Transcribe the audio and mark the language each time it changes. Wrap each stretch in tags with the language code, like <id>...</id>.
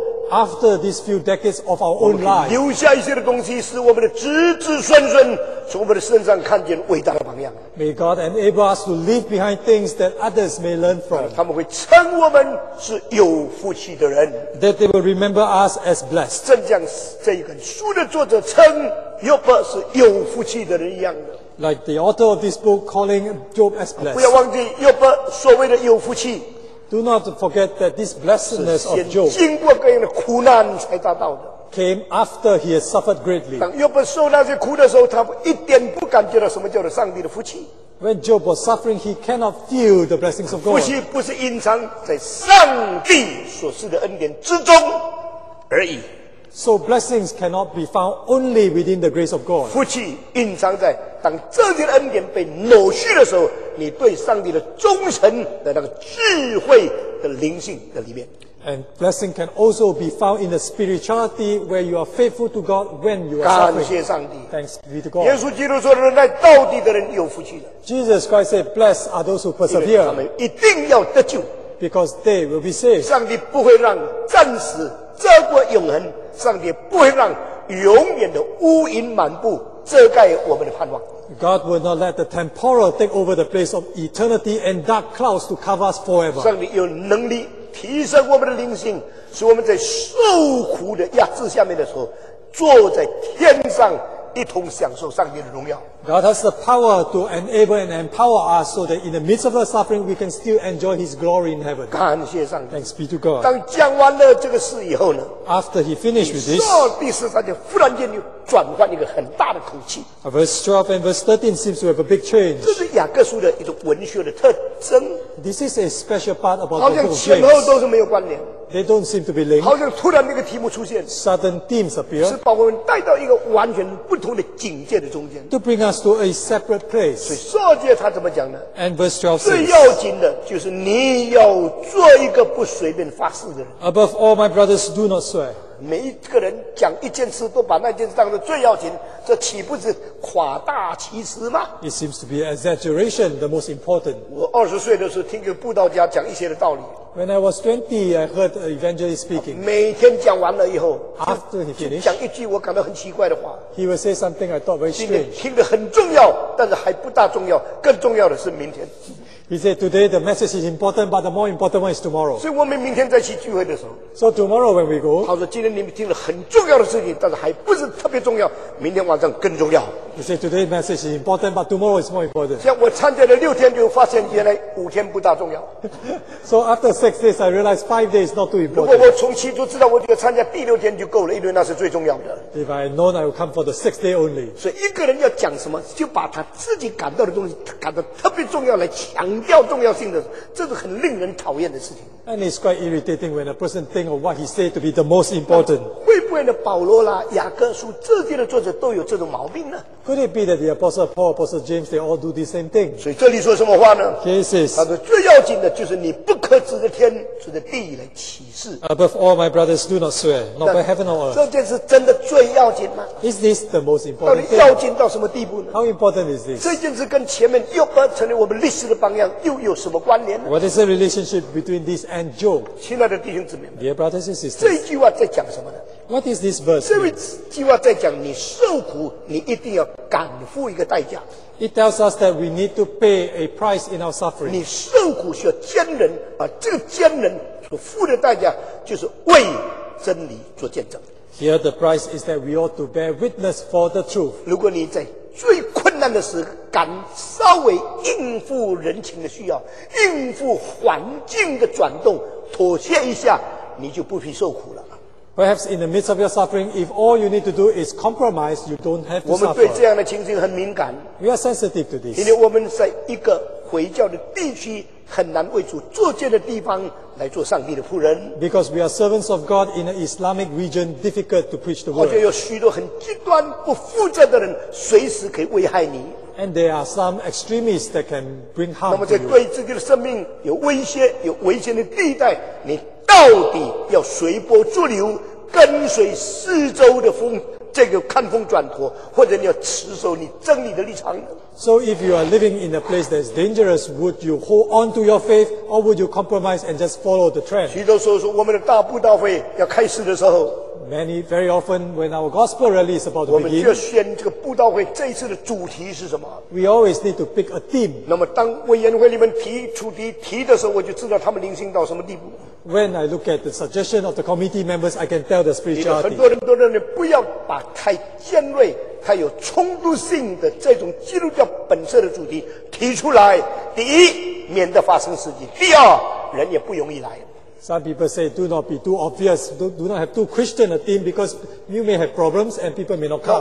<en>After these few decades of our own life,</en> <zh>留下一些的东西，使我们的子子孙孙从我们的身上看见伟大的榜样。</zh> <en>May God enable us to leave behind things that others may learn from.</en> <zh>他们会称我们是有福气的人。</zh> <en>That they will remember us as blessed.</en> <zh>正像这一本书的作者称约伯是有福气的人一样的。</zh> <en>Like the author of this book calling Job as blessed.</en> <zh>不要忘记约伯所谓的有福气。</zh> <en>Do not forget that this blessedness of Job</en> <zh>经过各样的苦难才达到的</zh> <en>came after he had suffered greatly.</en> <zh>当约伯受那些苦的时候，他一点不感觉到什么叫做上帝的福气。</zh> <en>When Job was suffering, he cannot feel the blessings of God.</en> <zh>福气不是隐藏在上帝所赐的恩典之中而已。</zh> <en>So blessings cannot be found only within the grace of God.</en> <zh>福气隐藏在当这些恩典被挪去的时候，你对上帝的忠诚的那个智慧的灵性的里面。</zh> <en>And blessing can also be found in the spirituality where you are faithful to God when you are suffering.</en> <zh>感谢上帝。</zh> <en>Thanks be to God.</en> <zh>耶稣基督说：“忍耐到底的人有福气了。”</zh> <en>Jesus Christ said, "Blessed are those who persevere."</en> <zh>因为他们一定要得救。</zh> <en>Because they will be saved.</en> <zh>上帝不会让暂时遮过永恒，上帝不会让永远的乌云满布遮盖我们的盼望。</zh> <en>God will not let the temporal take over the place of eternity and dark clouds to cover us forever.</en> <zh>上帝有能力提升我们的灵性，使我们在受苦的压制下面的时候，坐在天上一同享受上帝的荣耀。</zh> <en>God has the power to enable and empower us so that in the midst of our suffering, we can still enjoy His glory in heaven.</en> <zh>感谢上帝。</zh> <en>Thanks be to God.</en> <zh>当讲完了这个事以后呢</zh> <en>？After he finished with this,</en> <zh>上帝十三节忽然间就转换一个很大的口气。</zh> <en>Verse 12 and verse 13 seems to have a big change.</en> <zh>这是雅各书的一种文学的特征。</zh> <en>This is a special part about the book of James.</en> <zh>好像前后都是没有关联。</zh> <en>They don't seem to be linked.</en> <zh>好像突然那个题目出现。</zh> <en>Sudden themes appear.</en> <zh>是把我们带到一个完全不同的境界的中间。</zh> <en>To bring us to a separate place.</en> <zh>所以十二节他怎么讲呢</zh> <en>？And verse 12 says.</en> <zh>最要紧的就是你要做一个不随便发誓的人。</zh> <en>Above all, my brothers, do not swear.</en> <zh>每一个人讲一件事都把那件事当作最要紧，这岂不是夸大其词吗</zh> <en>？It seems to be exaggeration, the most important.</en> <zh>我二十岁的时候听个布道家讲一些的道理。</zh> <en>When I was 20, I heard an evangelist speaking.</en> <zh>每天讲完了以后</zh> <en>，After he finished,</en> <zh>讲一句我感到很奇怪的话。</zh> <en>He would say something I thought very strange.</en> <zh>听得很重要，但是还不大重要，更重要的是明天。</zh> <en>He said, today the message is important, but the more important one is tomorrow.</en> <zh>所以我们明天再去聚会的时候。</zh> <en>So tomorrow when we go.</en> <zh>他说今天你们听了很重要的事情，但是还不是特别重要，明天晚上更重要。</zh> <en>He said, today's message is important, but tomorrow is more important.</en> <zh>像我参加了六天，就发现原来五天不大重要。</zh> <en>So after 6 days, I realized 5 days not too important.</en> <zh>如果我从起初知道，我觉得参加第六天就够了，因为那是最重要的。</zh> <en>If I had known, I would come for the 6th day only.</en> <zh>所以一个人要讲什么，就把他自己感到的东西感到特别重要来强。要重要性的，这是很令人讨厌的事情。</zh> <en>And it's quite irritating when a person thinks of what he said to be the most important.</en> <zh>会不会呢？保罗啦、雅各书这些的作者都有这种毛病呢</zh> <en>？Could it be that the apostle Paul, apostle James, they all do the same thing?</en> <zh>所以这里说什么话呢</zh> <en>？Jesus，</en> <zh>他说最要紧的就是你不可指着天、指着地来起誓。</zh> <en>Above all, my brothers, do not swear, not by heaven or earth.</en> <zh>这件事真的最要紧吗</zh> <en>？Is this the most important thing?</en> <zh>到底要紧到什么地步呢</zh> <en>？How important is this?</en> <zh>这件事跟前面又不成为我们历史的榜样。又有什么关联呢</zh> <en>？What is the relationship between this and Job？</en> <zh>亲爱的弟兄姊妹们</zh> <en>，Dear brothers and sisters，</en> <zh>这句话在讲什么呢</zh> <en>？What is this verse？</en> <zh>这句话在讲你受苦，你一定要敢付一个代价。</zh> <en>It tells us that we need to pay a price in our suffering。</en> <zh>你受苦需要坚忍，而这个坚忍所付的代价就是为真理做见证。</zh> <en>Here the price is that we ought to bear witness for the truth。</en> <zh>如果你在最困难的时候，敢稍微应付人情的需要，应付环境的转动，妥协一下，你就不必受苦了。</zh> <en>Perhaps in the midst of your suffering, if all you need to do is compromise, you don't have to suffer.</en> <zh>我们对这样的情形很敏感。</zh> <en>We are sensitive to this.</en> <zh>因为我们在一个回教的地区，很难为主作践的地方来做上帝的仆人。</zh> <en>Because we are servants of God in an Islamic region, difficult to preach the word.</en> <zh>或者有许多很极端不负责的人，随时可以危害你。</zh> <en>And there are some extremists that can bring harm to you.</en> <zh>那么在对自己的生命有威胁、有危险的地带，你到底要随波逐流，跟随四周的风，这个看风转舵，或者你要持守你真理的立场？</zh> <en>So if you are living in a place that is dangerous, would you hold on to your faith, or would you compromise and just follow the trend?</en> <zh>许多时候说我们的大布道会要开始的时候。</zh> <en>Many very often when our gospel rally is about to begin,</en> <zh>我们就要选这个布道会这一次的主题是什么。</zh> <en>We always need to pick a theme.</en> <zh>那么当委员会里面提出题的时候，我就知道他们灵性到什么地步。</zh> <en>When I look at the suggestion of the committee members, I can tell the spirituality.</en> <zh>很多人都认为不要把太尖锐、太有冲突性的这种基督教本色的主题提出来。第一，免得发生事情；第二，人也不容易来。</zh> <en>Some people say, do not be too obvious, do not have too Christian a theme because you may have problems and people may not come.</en>